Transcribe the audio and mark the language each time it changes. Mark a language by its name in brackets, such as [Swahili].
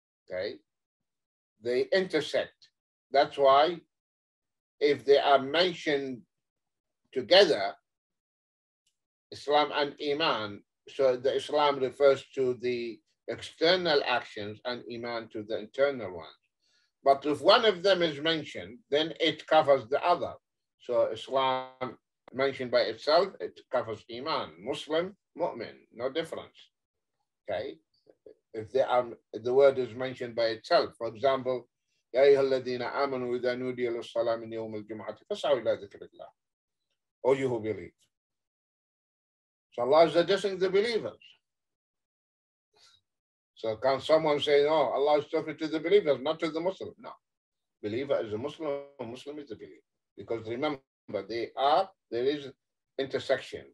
[English] Okay, they intersect. That's why if they are mentioned together, Islam and Iman, so the Islam refers to the external actions and Iman to the internal ones. But if one of them is mentioned, then it covers the other. So Islam mentioned by itself, it covers Iman. Muslim, Mu'min, no difference. Okay. If they are, the word is mentioned by itself. For example, [Arabic] يَا أَيْهَا الَّذِينَ آمَنُوا إِذَا نُودِيَ لِلصَّلَاةِ مِنْ يَوْمِ الْجُمْعَةِ فَسَعُوا إِلَى ذِكْرِ اللَّهِ. [English] Oh, you who believe. So Allah is addressing the believers. So So can someone say, no, Allah is talking to the believers, not to the Muslim? No. Believer is a Muslim, Muslim is a believer. Because remember, there is intersection.